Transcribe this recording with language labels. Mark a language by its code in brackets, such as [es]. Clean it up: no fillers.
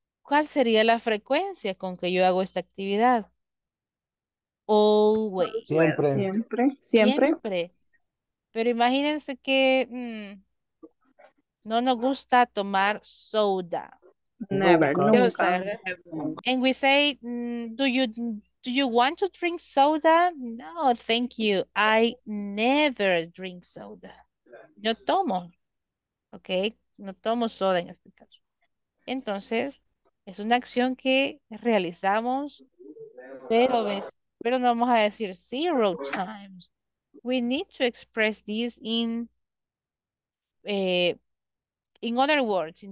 [es] ¿Cuál sería la frecuencia con que yo hago esta actividad? [en] Always. [es] Siempre. Siempre. Siempre. Siempre. Pero imagínense que no nos gusta tomar soda. Never. Nunca. Nunca. [en] And we say, do you want to drink soda? No, thank you. I never drink soda. [es] No tomo. [en] Ok. [es] No tomo soda en este caso. Entonces, es una acción que realizamos cero veces. Pero no vamos a decir [en] zero times. We need to express this in other words.